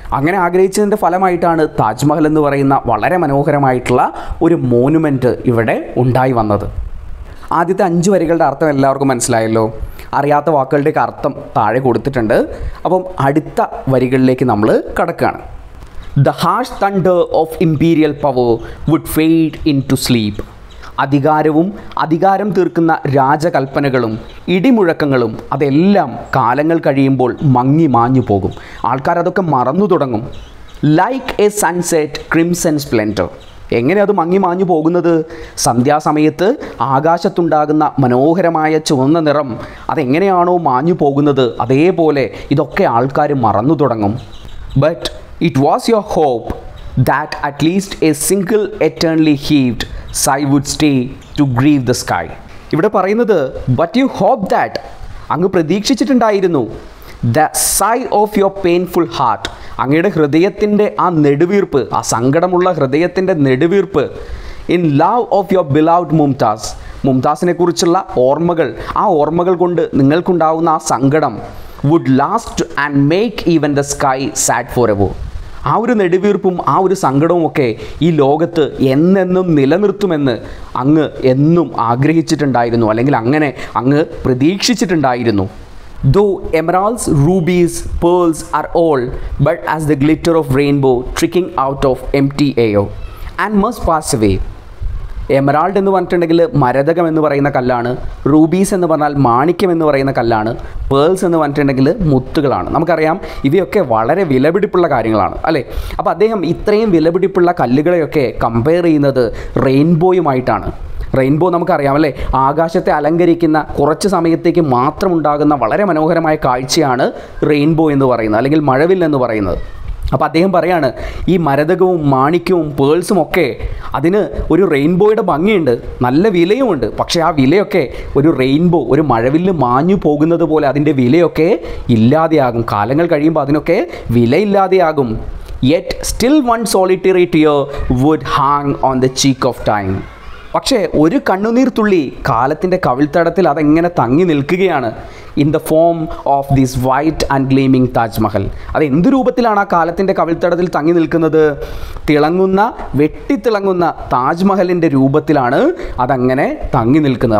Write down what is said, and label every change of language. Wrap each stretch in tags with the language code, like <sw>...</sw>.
<ml>അങ്ങനെ ആഗ്രഹിച്ചതിൻ്റെ ഫലമായിട്ടാണ് താജ്മഹൽ എന്ന് പറയുന്ന വളരെ മനോഹരമായിട്ടുള്ള ഒരു മോണുമെൻ്റ് ഇവിടെ ഉണ്ടായി വന്നത്. ആദ്യത്തെ അഞ്ച് വരികളുടെ അർത്ഥം എല്ലാവർക്കും മനസ്സിലായല്ലോ. അറിയാത്ത വാക്കുകളുടെയൊക്കെ അർത്ഥം താഴെ കൊടുത്തിട്ടുണ്ട്. അപ്പം അടുത്ത വരികളിലേക്ക് നമ്മൾ കടക്കുകയാണ്.</ml> <en>The harsh thunder of imperial power would fade into sleep.</en> <ml>അധികാരവും അധികാരം തീർക്കുന്ന രാജകൽപ്പനകളും ഇടിമുഴക്കങ്ങളും അതെല്ലാം കാലങ്ങൾ കഴിയുമ്പോൾ മങ്ങി മാഞ്ഞു പോകും. ആൾക്കാരതൊക്കെ മറന്നു തുടങ്ങും.</ml> <en>Like a sunset crimson splendor.</en> <ml>എങ്ങനെ അത് മങ്ങി മാഞ്ഞു പോകുന്നത്? സന്ധ്യാസമയത്ത് ആകാശത്തുണ്ടാകുന്ന മനോഹരമായ ചുവന്ന നിറം അതെങ്ങനെയാണോ മാഞ്ഞു പോകുന്നത്, അതേപോലെ ഇതൊക്കെ ആൾക്കാർ മറന്നു തുടങ്ങും.</ml> <en>But it was your hope that at least a single eternally heaved sigh would stay to grieve the sky.</en> <ml>ഇവിടെ പറയുന്നത്</ml> <en>but you hope that,</en> <ml>അങ്ങ് പ്രതീക്ഷിച്ചിട്ടുണ്ടായിരുന്നു.</ml> <en>The sigh of your painful heart,</en> <ml>അങ്ങയുടെ ഹൃദയത്തിൻ്റെ ആ നെടുവീർപ്പ്, ആ സങ്കടമുള്ള ഹൃദയത്തിൻ്റെ നെടുവീർപ്പ്.</ml> <en>In love of your beloved Mumtaz,</en> <ml>മുംതാസിനെ കുറിച്ചുള്ള ഓർമ്മകൾ, ആ ഓർമ്മകൾ കൊണ്ട് നിങ്ങൾക്കുണ്ടാവുന്ന ആ സങ്കടം</ml> <en>would last and make even the sky sad forever.</en> <ml>ആ ഒരു നെടുവീർപ്പും ആ ഒരു സങ്കടവും ഒക്കെ ഈ ലോകത്ത് എന്നെന്നും നിലനിർത്തുമെന്ന് അങ്ങ് എന്നും ആഗ്രഹിച്ചിട്ടുണ്ടായിരുന്നു, അല്ലെങ്കിൽ അങ്ങനെ അങ്ങ് പ്രതീക്ഷിച്ചിട്ടുണ്ടായിരുന്നു.</ml> <en>Though emeralds, rubies, pearls are all, but as the glitter of rainbow tricking out of empty air and must pass away.</en> <ml>Emerald എന്ന് പറഞ്ഞിട്ടുണ്ടെങ്കിൽ മരതകം എന്ന് പറയുന്ന കല്ലാണ്. റൂബീസ് എന്ന് പറഞ്ഞാൽ മാണിക്യം എന്ന് പറയുന്ന കല്ലാണ്. പേൾസ് എന്ന് പറഞ്ഞിട്ടുണ്ടെങ്കിൽ മുത്തുകളാണ്. നമുക്കറിയാം ഇവയൊക്കെ വളരെ വിലപിടിപ്പുള്ള കാര്യങ്ങളാണ് അല്ലേ. അപ്പോൾ അദ്ദേഹം ഇത്രയും വിലപിടിപ്പുള്ള കല്ലുകളെയൊക്കെ കമ്പയർ ചെയ്യുന്നത് റെയിൻബോയുമായിട്ടാണ്. റെയിൻബോ നമുക്കറിയാം അല്ലേ, ആകാശത്തെ അലങ്കരിക്കുന്ന കുറച്ച് സമയത്തേക്ക് മാത്രം ഉണ്ടാകുന്ന വളരെ മനോഹരമായ കാഴ്ചയാണ് റെയിൻബോ എന്ന് പറയുന്നത്, അല്ലെങ്കിൽ മഴവിൽ എന്ന് പറയുന്നത്. അപ്പോൾ അദ്ദേഹം പറയാണ് ഈ മരതകവും മാണിക്യവും പേൾസും ഒക്കെ അതിന് ഒരു റെയിൻബോയുടെ ഭംഗിയുണ്ട്, നല്ല വിലയുമുണ്ട്. പക്ഷേ ആ വിലയൊക്കെ ഒരു റെയിൻബോ ഒരു മഴവില്ല് മാഞ്ഞു പോകുന്നത് പോലെ അതിൻ്റെ വിലയൊക്കെ ഇല്ലാതെയാകും. കാലങ്ങൾ കഴിയുമ്പോൾ അതിനൊക്കെ വിലയില്ലാതെയാകും.</ml> <en>Yet still one solitary tear would hang on the cheek of time.</en> <ml>പക്ഷേ ഒരു കണ്ണുനീർത്തുള്ളി കാലത്തിൻ്റെ കവിൾത്തടത്തിൽ അതെങ്ങനെ തങ്ങി നിൽക്കുകയാണ്.</ml> <en>In the form of this white and ഗ്ലീമിംഗ് Taj Mahal.</en> <ml>അത് എന്ത് രൂപത്തിലാണ് ആ കാലത്തിൻ്റെ കവിൾത്തടത്തിൽ തങ്ങി നിൽക്കുന്നത്? തിളങ്ങുന്ന വെട്ടിത്തിളങ്ങുന്ന താജ്മഹലിൻ്റെ രൂപത്തിലാണ് അതങ്ങനെ തങ്ങി നിൽക്കുന്നത്.</ml>